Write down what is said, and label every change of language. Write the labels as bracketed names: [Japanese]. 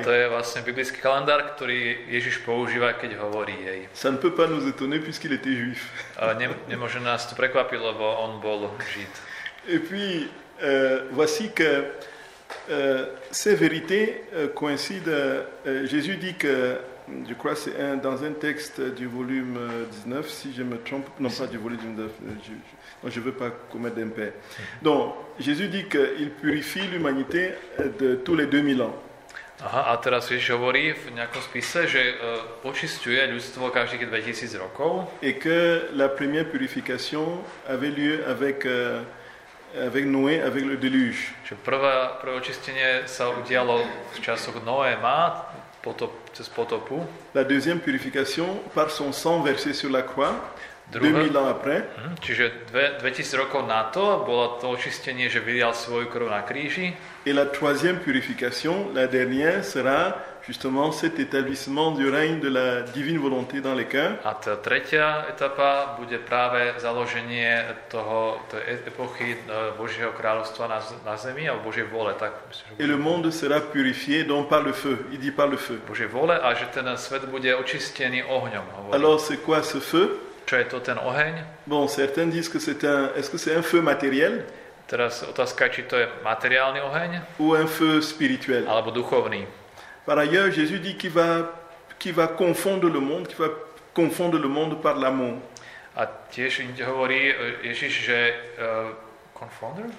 [Slovak] To je vlastne biblický kalendár, ktorý Ježiš používa, keď hovorí jej. [French] Ça ne peut pas nous étonner puisqu'il était juif. [Slovak] Nemôže nás to prekvapiť, lebo on bol žid. [French] Et puis voici que ces vérités coïncident. Jésus dit que je crois que c'est dans un texte du volume 19, si je me trompe. Non, pas du volume 19. Donc je ne veux pas commettre d'impair. Donc, Jésus dit qu'il purifie l'humanité de tous les 2000 ans. [Slovak] Aha, a teraz Ježiš hovorí v nejakom spise, že očisťuje ľudstvo každých 2000 rokov. [French] Et que la première purification avait lieu avec Noé, avec le déluge. [Slovak] Že prvé očistenie sa udialo v časoch Noéma, cez potopu. [French] La deuxième purification par son sang versé sur la croix. 2000 ans après. [Slovak] Čiže 2000 rokov na to bolo to očistenie, že vylial svoju krv na kríži. [French] Et la troisième purification, la dernière, sera justement cet établissement du règne de la divine volonté dans les cœurs. [Slovak] A tá tretia etapa bude práve založenie tej epochy Božieho kráľovstva na zemi alebo Božej vôle. Tak myslím, [French] et le monde sera purifié donc par le feu. Il dit par le feu. [Slovak] Božej vôle a že ten svet bude očistený ohňom. Hovorí. [French] Alors c'est quoi ce feu? [Slovak] Čo je to ten oheň? [French] Bon, certains disent que c'est est-ce que c'est un feu matériel? [Slovak] Teraz otázka, či to je materiálny oheň? [French] Ou un feu spirituel? [Slovak] Alebo duchovný. [French] Par ailleurs, Jésus dit qu'il va confondre le monde, qu'il va confondre le monde par l'amour. [Slovak] A tiež inde hovorí Ježiš, že confondre?